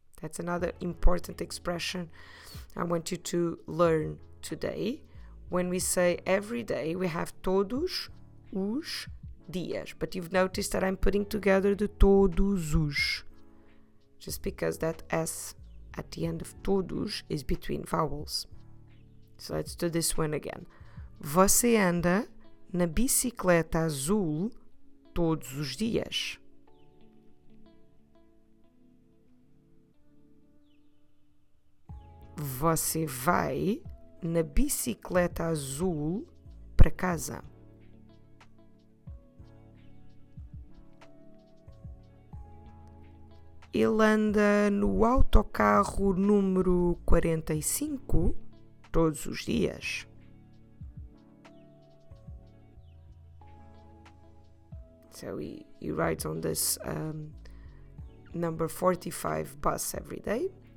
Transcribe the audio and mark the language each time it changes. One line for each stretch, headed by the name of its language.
English: That's another important expression I want you to learn today. When we say every day, we have
Portuguese: todos os dias.
English: But you've noticed that I'm putting together the todos os. Just because that S at the end of todos is between vowels. So let's do this one again.
Portuguese: Você anda na bicicleta azul todos os dias. Você vai na bicicleta azul para casa. Ele anda no autocarro número 45 todos os dias.
English: So he rides on this number 45 bus every day.